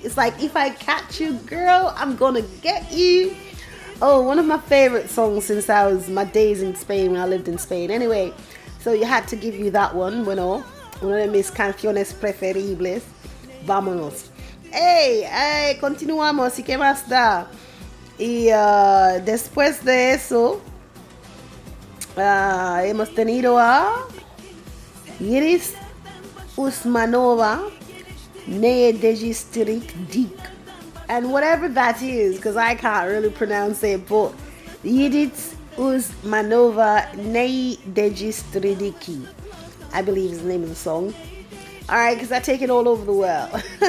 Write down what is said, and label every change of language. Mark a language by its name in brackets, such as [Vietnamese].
[English] It's like, if I catch you, girl, I'm gonna get you. Oh, one of my favorite songs since I was my days in Spain, when I lived in Spain. Anyway, so you had to give you that one, [Spanish] bueno, una de mis canciones preferibles. Vámonos. Hey, continuamos. ¿Y qué más da? Y después de eso, hemos tenido a Iris Usmanova. [English] Neye Dejistirik Dik, and whatever that is, because I can't really pronounce it, but Yidit Usmanova Neye Dejistiriki, I believe is the name of the song. Alright, because I take it all over the world.